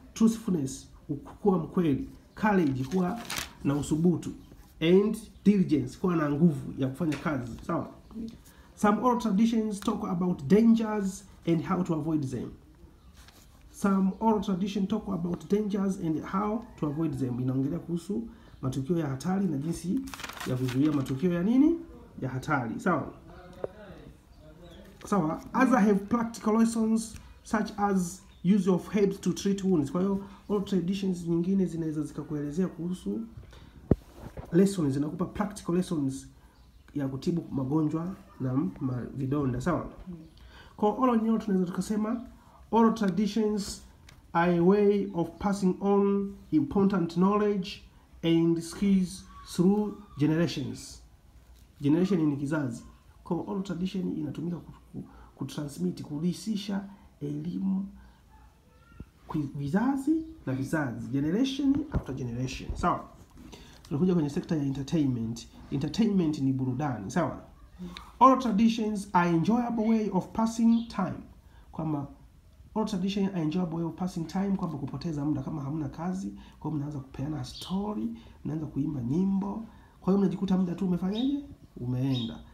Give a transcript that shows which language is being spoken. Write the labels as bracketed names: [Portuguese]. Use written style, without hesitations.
[Swahili] Truthfulness, kuwa mkweli. Courage, kuwa na usubutu. And diligence, kuwa na nguvu ya kufanya kazi, sawa? [English] Some oral traditions talk about dangers and how to avoid them. Some oral tradition talk about dangers and how to avoid them. [Swahili] Inaongelea kuhusu matukio ya hatari na jinsi ya kuzuia matukio ya nini? Ya hatari, sawa? [English] Sawa, other have practical lessons such as use of herbs to treat wounds. [Swahili] Kwa hiyo oral traditions nyingine zinaweza zikakuelezea kuhusu lessons, zinakupa practical lessons ya kutibu magonjwa na vidonda, sawa? Kwa oral nyingine tunaweza tukasema [English] oral traditions are a way of passing on important knowledge and skills through generations. [Swahili] Generation ni kizazi. Kwa oral tradition inatumika kutransmit, kurithisha elimu kwa vizazi na vizazi, [English] generation after generation. [Swahili] Sawa. Tunakuja kwenye sekta ya entertainment. Entertainment ni burudani, sawa? [English] Oral traditions are enjoyable way of passing time. [Swahili] Kwamba [English] oral tradition are enjoyable way of passing time, [Swahili] kwamba kupoteza muda kama hamna kazi, kwa hiyo mnaanza kupeana story, mnaanza kuimba nyimbo. Kwa hiyo mnajikuta muda tu umefanyaje? Umeenda.